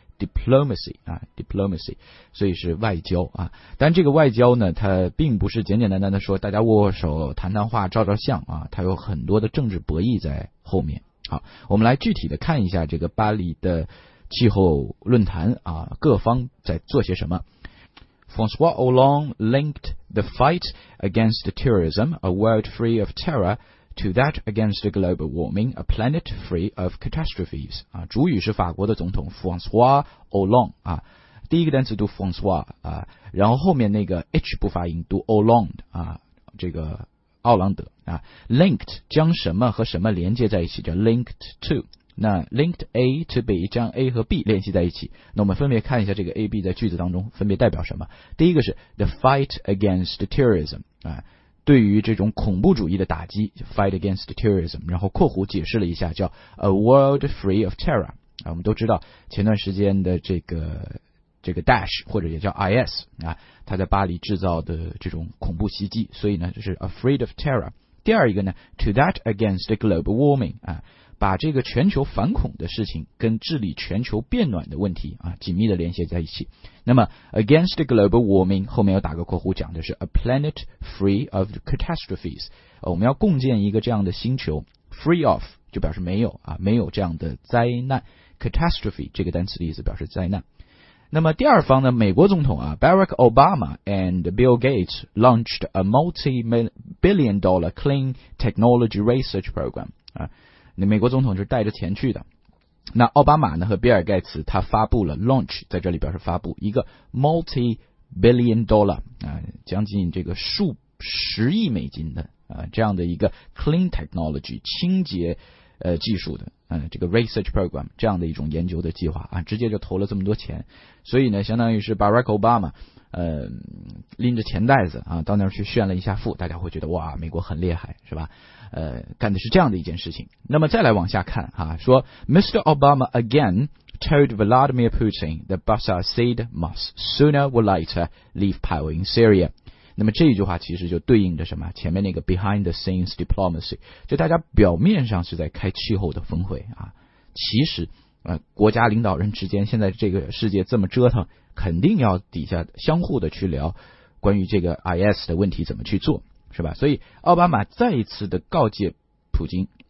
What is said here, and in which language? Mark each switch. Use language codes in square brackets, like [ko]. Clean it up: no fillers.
[zh] Diplomacy 啊 ，diplomacy， 所以是外交啊。但这个外交呢，它并不是简简单单的说大家握握手、谈谈话、照照相啊，它有很多的政治博弈在后面。好，我们来具体的看一下这个巴黎的气候论坛啊，各方在做些什么。 [en] François Hollande linked the fight against terrorism, a world free of terror, to that against the global warming, a planet free of catastrophes. [zh] 啊，主语是法国的总统 François Hollande 啊，第一个单词读 François 啊，然后后面那个 H 不发音，读 Hollande 啊，这个奥朗德啊。 Linked 将什么和什么连接在一起，叫 linked to。那 linked A to B 将 A 和 B 联系在一起，那我们分别看一下这个 A B 在句子当中分别代表什么。第一个是 [en] the fight against terrorism 啊。 [zh] 对于这种恐怖主义的打击 fight against terrorism， 然后括弧解释了一下叫 [en] a world free of terror、 [zh] 啊、我们都知道前段时间的这个这个 Daesh 或者也叫 IS 啊，他在巴黎制造的这种恐怖袭击，所以呢就是 [en] afraid of terror。 [zh] 第二一个呢 [en] to that against the global warming [zh] 啊，把这个全球反恐的事情跟治理全球变暖的问题啊紧密的连接在一起。那么 against the global warming 后面要打个括弧，讲的是 [en] a planet free of catastrophes、 [zh] 我们要共建一个这样的星球， free of 就表示没有啊，没有这样的灾难， catastrophe 这个单词的意思表示灾难。那么第二方呢，美国总统啊 [en] Barack Obama and Bill Gates launched a multi-billion dollar clean technology research program 啊， [zh] 那美国总统是带着钱去的。那奥巴马呢和比尔盖茨他发布了 launch， 在这里表示发布一个 multi-billion dollar 啊，将近这个数十亿美金的啊这样的一个 clean technology 清洁技术的这个 research program 这样的一种研究的计划啊，直接就投了这么多钱。所以呢相当于是 Barack Obama 拎着钱袋子啊到那儿去炫了一下富，大家会觉得哇美国很厉害是吧，干的是这样的一件事情。那么再来往下看啊，说 Mr. [en] Obama again told Vladimir Putin that Bashar Assad must sooner or later leave power in Syria。 [zh] 那么这一句话其实就对应着什么，前面那个 [en] behind the scenes diplomacy， [zh] 就大家表面上是在开气候的峰会啊，其实国家领导人之间现在这个世界这么折腾，肯定要底下相互的去聊关于这个 IS 的问题怎么去做是吧。所以奥巴马再一次的告诫普京，